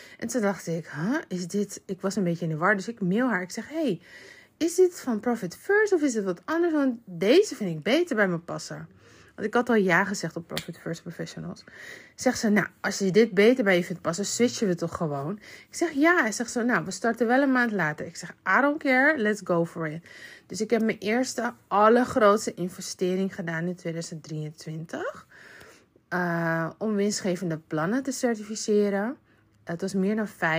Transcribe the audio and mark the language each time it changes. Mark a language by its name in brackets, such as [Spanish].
[Dutch] En toen dacht ik, is dit? Ik was een beetje in de war, dus ik mail haar. Ik zeg, hey, is dit van Profit First of is het wat anders? Want deze vind ik beter bij me passen. Want ik had al ja gezegd op Profit First Professionals. Zegt ze, nou, als je dit beter bij je vindt passen, switchen we toch gewoon? Ik zeg, ja. Hij zegt zo, nou, we starten wel een maand later. Ik zeg, [English] I don't care, let's go for it. [Dutch] Dus ik heb mijn eerste allergrootste investering gedaan in 2023. Om winstgevende plannen te certificeren. Het was meer dan 500.000.